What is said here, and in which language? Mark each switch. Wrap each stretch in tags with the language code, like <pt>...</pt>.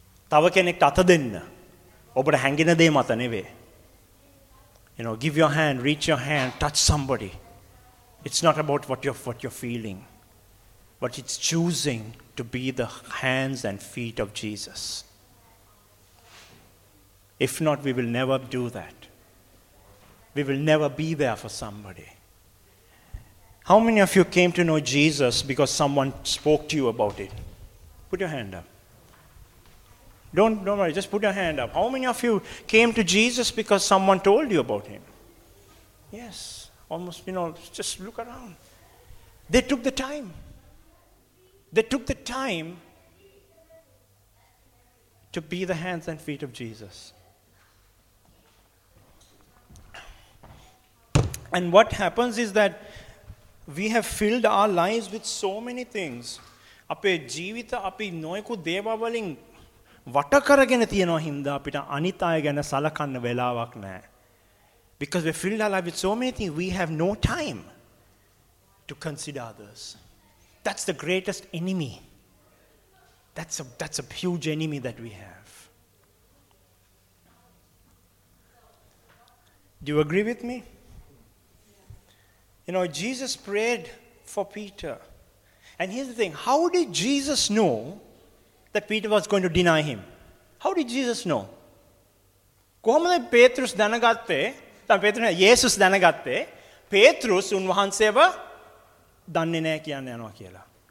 <si>Tawa kenek atha denna ඔබට හැංගින දේ මත නෙවෙයි.</si> <en>You know, give your hand, reach your hand, touch somebody. It's not about what you're feeling. But it's choosing to be the hands and feet of Jesus. If not, we will never do that. We will never be there for somebody. How many of you came to know Jesus because someone spoke to you about it? Put your hand up. Don't worry, just put your hand up. How many of you came to Jesus because someone told you about him? Yes, almost, you know, just look around. They took the time. They took the time to be the hands and feet of Jesus. And what happens is that we have filled our lives with so many things.</en> <si>අපේ ජීවිත අපි නොයෙකුත් දේවල් වලින් වට කරගෙන තියෙනවා හින්දා අපිට අනිත් අය ගැන සලකන්න වෙලාවක් නැහැ.</si> <en>Because we're filled our life with so many things, we have no time to consider others. That's the greatest enemy. That's a huge enemy that we have. Do you agree with me? You know, Jesus prayed for Peter. And here's the thing, how did Jesus know that Peter was going to deny him? How did Jesus know?</en> <si>කොහොමද පේත්‍රස් දැනගත්තේ? දැන් පේත්‍රස් යේසුස් දැනගත්තේ පේත්‍රස් උන්වහන්සේව දන්නේ නැහැ කියන්න යනවා කියලා.</si>